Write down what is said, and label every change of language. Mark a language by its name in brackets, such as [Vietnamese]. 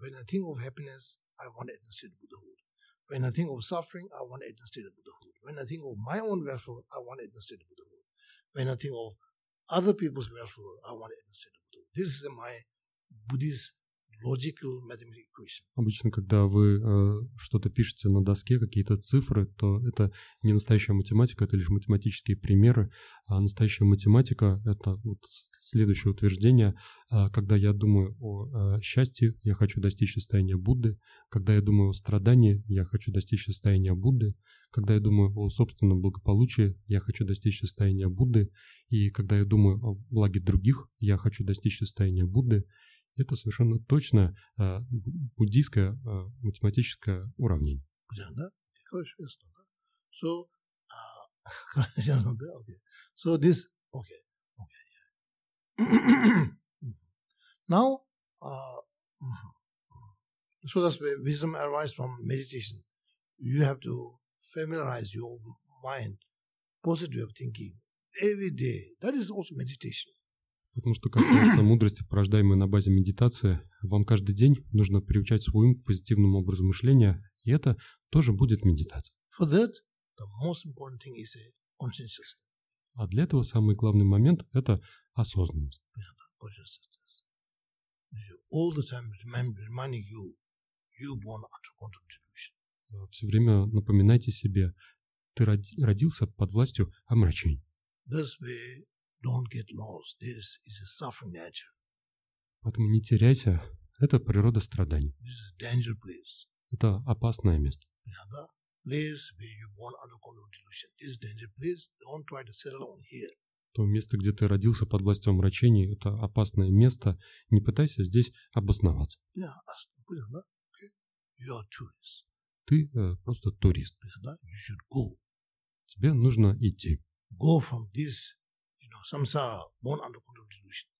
[English] When I think of happiness, I want to attain the Buddhahood. When I think of suffering, I want to attain the Buddhahood. When I think of my own welfare, I want to attain the Buddhahood. When I think of other people's welfare, I want to attain the Buddhahood. This is my Buddhist logical mathematical equation. [Russian] Обычно, когда вы что-то пишете на доске, какие-то цифры, то это не настоящая математика, это лишь математические примеры. А настоящая математика — это вот следующее утверждение. Когда я думаю о счастье, я хочу достичь состояния Будды. Когда я думаю о страдании, я хочу достичь состояния Будды. Когда я думаю о собственном благополучии, я хочу достичь состояния Будды. И когда я думаю о благе других, я хочу достичь состояния Будды. Это совершенно точно буддийское математическое уравнение. Да? Хорошо, ясно, да? [English] So, okay. So this, okay. Okay, yeah. Now, so that's where wisdom arises from meditation. You have to familiarize your mind, positive thinking, every day. That is also meditation. [Russian] Потому что касается мудрости, порождаемой на базе медитации, вам каждый день нужно приучать свой ум к позитивному образу мышления, и это тоже будет медитация. [English] For that, the most important thing is a consciousness. [Russian] А для этого самый главный момент – это осознанность. [English] Yeah, consciousness. All the time reminding you, you born under contribution. [Russian] Все время напоминайте себе, ты родился под властью омрачения. [English] This way. Don't get lost. This is a suffering nature. [Russian] Поэтому не теряйся. Это природа страданий. [English] This is a danger place. [Russian] Это опасное место. Yeah, да? [English] Place where you born under control of delusion. This is danger place. Don't try to settle on here. [Russian] То место, где ты родился под властью омрачений, это опасное место. Не пытайся здесь обосноваться. [English] Yeah, [Russian] понятно, да? [English] Okay. You are tourist. [Russian] Ты просто турист. [English] Yeah, да? You should go. [Russian] Тебе нужно идти. [English] Go from this. Самсара, born under control of delusion.